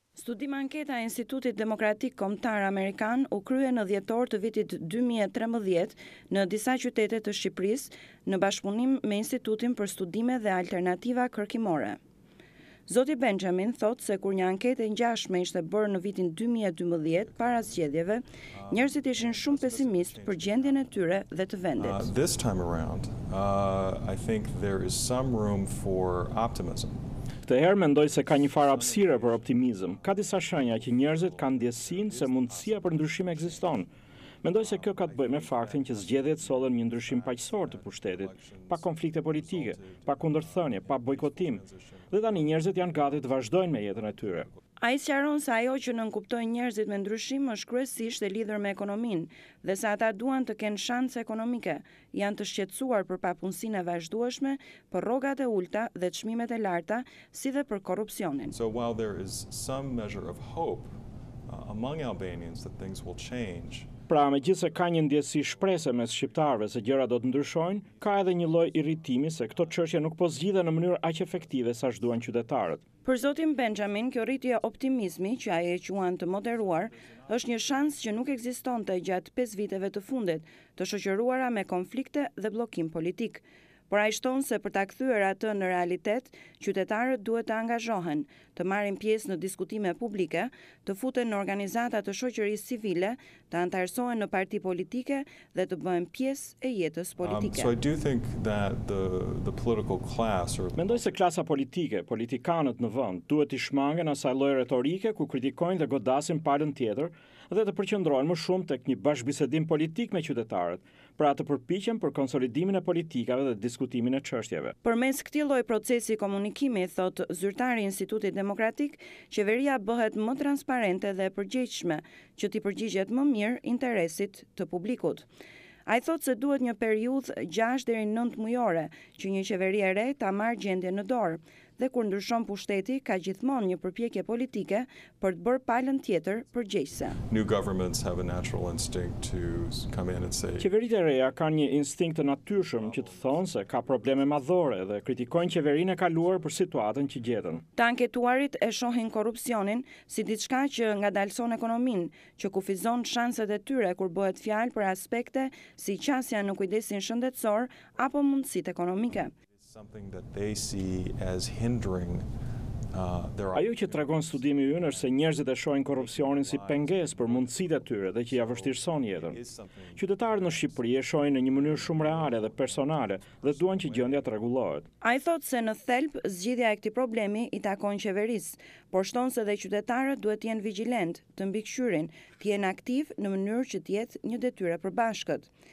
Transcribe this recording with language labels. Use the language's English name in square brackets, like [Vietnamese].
[Albanian] Studim anketa e Institutit Demokratik Kombëtar Amerikan u krye në dhjetor të vitit 2013 në disa qytete të Shqipërisë në bashkëpunim me Institutin për Studime dhe Alternativa Kërkimore. Zoti Benjamin thot se kur një anketë e ngjashme ishte bërë në vitin 2012 para zgjedhjeve, njerëzit ishin shumë pesimist për gjendjen e tyre dhe të vendit. [English] This time around, I think there is some room for optimism. [Albanian] Këtë herë mendoj se ka një farë hapësire për optimizëm. Ka disa shenja që njerëzit kanë ndjesinë se mundësia për ndryshim ekziston. Mendoj se kjo ka të bëjë me faktin që zgjedhjet sollën një ndryshim paqësor të pushtetit, pa konflikte politike, pa kundërthënie, pa bojkotim, dhe tani njerëzit janë gati të vazhdojnë me jetën e tyre. Ai sqaron se ajo që nënkupton njerëzit me ndryshim është kryesisht e lidhur me ekonominë, dhe se ata duan të kenë shanse ekonomike, janë të shqetësuar për papunësinë e vazhdueshme, për rrogat e ulta dhe çmimet e larta, si dhe për korrupsionin. [English] So while there is some measure of hope among Albanians that things will change. [Albanian] Pra, megjithëse ka një ndjesi shpresë mes shqiptarëve se gjërat do të ndryshojnë, ka edhe një lloj irritimi se këto çështje nuk po zgjidhen në mënyrë aq efektive sa duan qytetarët. Për zotin Benjamin, kjo rritje optimizmi që ai e quan të moderuar është një shans që nuk ekzistonte gjatë 5 viteve të fundit, të shoqëruara me konflikte dhe bllokim politik. Por ai shton se për ta kthyer atë në realitet, qytetarët duhet të angazhohen, të marrin pjesë në diskutime publike, të futen në organizata të shoqërisë civile, të antarësohen në parti politike dhe të bëhen pjesë e jetës politike. [English] So I do think that the political class or [Albanian] mendoj se klasa politike, politikanët në vend, duhet të shmangen asaj lloj retorike ku kritikojnë dhe godasin palën tjetër dhe të përqendrohen më shumë tek një bashkëbisedim politik me qytetarët. Pra të përpiqen për konsolidimin e politikave dhe diskutimin e çështjeve. Përmes këtij lloji procesi komunikimi, thot zyrtari i Institutit Demokratik, qeveria bëhet më transparente dhe e përgjegjshme, që t'i përgjigjet më mirë interesit të publikut. Ai thot se duhet një periudhë 6 deri 9 mujore që një qeveri e re ta marrë gjendjen në dorë, dhe kur ndryshon pushteti, ka gjithmonë një përpjekje politike për të bërë palën tjetër përgjegjëse. [English] New governments have a natural instinct to come in and say. [Albanian] Qeverit e reja kanë një instinkt të natyrshëm që të thonë se ka probleme madhore dhe kritikojnë qeverinë e kaluar për situatën që gjetën. Të anketuarit e shohin korrupsionin si diçka që ngadalson ekonominë, që kufizon shanset e tyre kur bëhet fjalë për aspekte si qasja në kujdesin shëndetësor apo mundësitë ekonomike. [English] Something that they see as hindering their [Albanian] ajo që tregon studimi ynë është se njerëzit e shohin korrupsionin si pengesë për mundësitë e tyre dhe që ja vështirëson jetën. Qytetarët në Shqipëri e shohin në një mënyrë shumë reale dhe personale dhe duan që gjendja të rregullohet. Ai thot se në thelb zgjidhja e këtij problemi i takon qeverisë, por shton se dhe qytetarët duhet të jenë vigjilent, të mbikëqyrin, të jenë aktiv në mënyrë që të jetë një detyrë për bashkët.